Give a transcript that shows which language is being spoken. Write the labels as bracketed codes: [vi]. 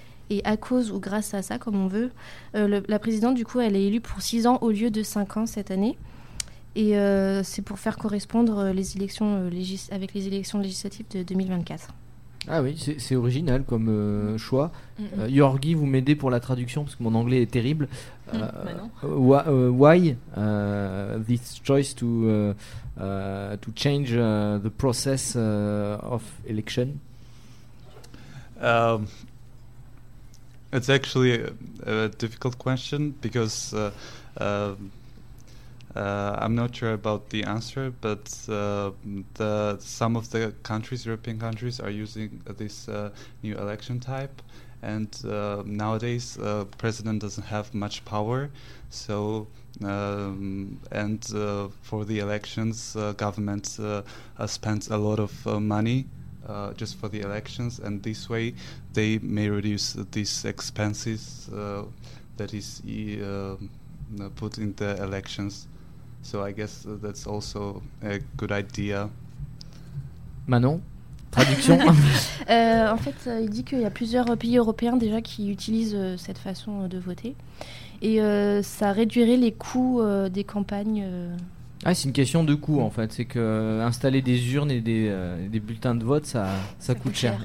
[fr] Et à cause ou grâce à ça, comme on veut, la présidente, du coup, elle est élue pour 6 ans au lieu de 5 ans cette année. Et c'est pour faire correspondre les élections avec les élections législatives de 2024. Ah oui, c'est original comme choix. Yorgi, vous m'aidez pour la traduction parce que mon anglais est terrible. [en] Why this choice to change the process of election? It's actually a difficult question because I'm not sure about the answer, but some of the countries, European countries, are using this new election type, and nowadays president doesn't have much power. So, for the elections, government spends a lot of money just for the elections, and this way they may reduce these expenses put in the elections. So I guess that's also a good idea. [fr] Manon, traduction. En fait, il dit qu'il y a plusieurs pays européens déjà qui utilisent cette façon de voter. Et ça réduirait les coûts des campagnes. Ah, c'est une question de coût, en fait. C'est que installer des urnes et des bulletins de vote, ça coûte cher.